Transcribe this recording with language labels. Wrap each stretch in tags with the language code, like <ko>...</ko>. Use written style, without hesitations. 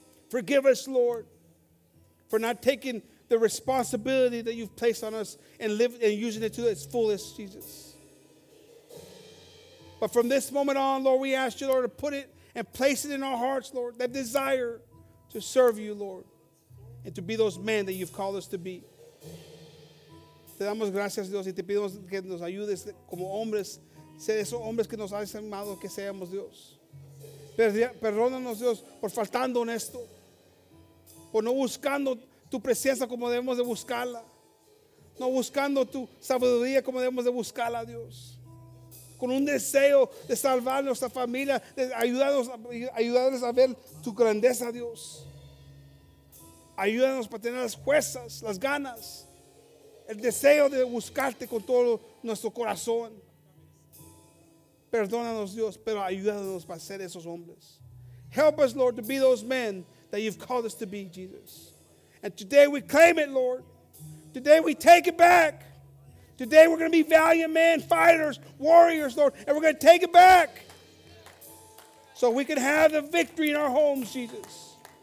<en>Forgive us, Lord, for not taking the responsibility that you've placed on us and live and using it to its fullest, Jesus. But from this moment on, Lord, we ask you, Lord, to put it and place it in our hearts, Lord, that desire to serve you, Lord, and to be those men that you've called us to be.</en> <es>Te damos gracias, Dios, y te pedimos que nos ayudes como hombres, ser esos hombres que nos has llamado que seamos, Dios. Perdónanos, Dios, por faltando en esto, por no buscando tu presencia como debemos de buscarla, no buscando tu sabiduría como debemos de buscarla, Dios, con un deseo de salvar nuestra familia, de ayudarnos a ver tu grandeza, Dios. Ayúdanos para tener las fuerzas, las ganas, el deseo de buscarte con todo nuestro corazón. Perdónanos, Dios, pero ayúdanos para ser esos hombres.</es> <en>Help us, Lord, to be those men that you've called us to be, Jesus. And today we claim it, Lord. Today we take it back. Today we're going to be valiant men, fighters, warriors, Lord. And we're going to take it back so we can have the victory in our homes, Jesus.</en>